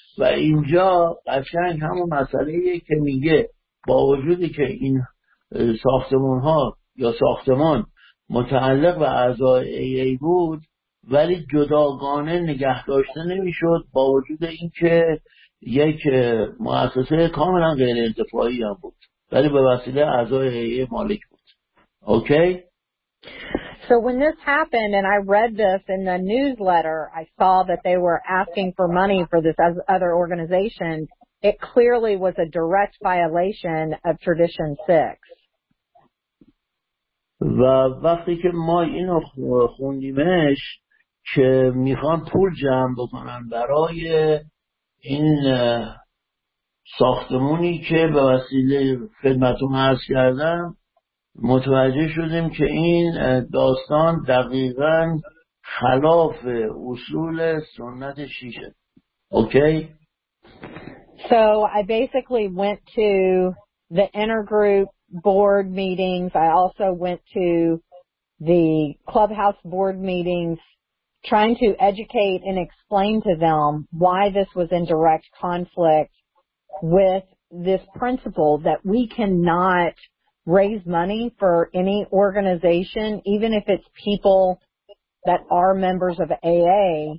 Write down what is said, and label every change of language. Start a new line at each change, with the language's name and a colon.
Persian: و اینجا قشنگ همون مسئله یه که میگه با وجودی که این ساختمان ها یا ساختمان متعلق به اعضای ای بود ولی جداگانه نگه داشته نمیشد با وجود اینکه یک مؤسسه کاملا غیر انتفاعی هم بود ولی به وسیله اعضای هیئه مالک بود.
English: Okay? So when this happened and I read this in the newsletter, I saw that they were asking for money for this as other organization. It clearly was a direct violation of tradition 6.
Persian: و وقتی که ما اینو خوندیمش که میخوان پول جمع بکنن برای این ساختمونی که به وسیله خدمتون عرض کردم متوجه شدیم که این داستان دقیقا خلاف اصول سنت شیشه.
English: Okay? So I basically went to the intergroup board meetings. I also went to the clubhouse board meetings trying to educate and explain to them why this was in direct conflict with this principle that we cannot raise money for any organization, even if it's people that are members of AA.